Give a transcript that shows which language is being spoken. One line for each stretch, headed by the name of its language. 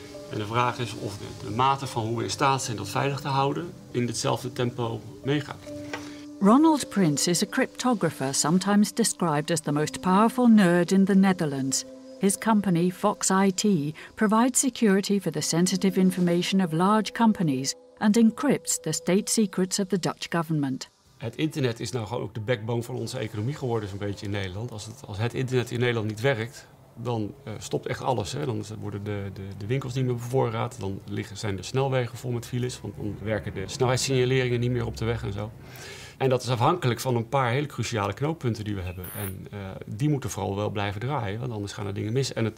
Dutch: En de vraag is of de mate van hoe we in staat zijn dat veilig te houden in hetzelfde tempo meegaat.
English: Ronald Prince is a cryptographer sometimes described as the most powerful nerd in the Netherlands. His company, Fox IT, provides security for the sensitive information of large companies and encrypts the state secrets of the Dutch government.
Dutch: Het internet is nou gewoon ook de backbone van onze economie geworden, zo'n beetje in Nederland. Als het internet in Nederland niet werkt, dan stopt echt alles. Hè. Dan worden de winkels niet meer bevoorraad, dan zijn de snelwegen vol met files, want dan werken de snelheidssignaleringen niet meer op de weg en zo. En dat is afhankelijk van een paar hele cruciale knooppunten die we hebben. En die moeten vooral wel blijven draaien, want anders gaan er dingen mis.